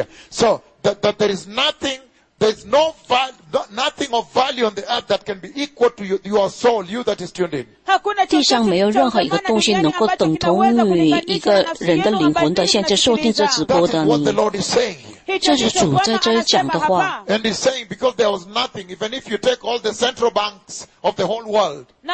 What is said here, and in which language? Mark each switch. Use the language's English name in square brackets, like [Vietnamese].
[English] So that there is nothing, there's no value, nothing of value on the earth that can be equal to your soul, you that is tuned in. [Chinese] 地上没有任何一个东西能够等同于一个人的灵魂的，现在收听这直播的你。这是主在这里讲的话。 [English] And he's saying because there was nothing, even if you take all the central banks of the whole world.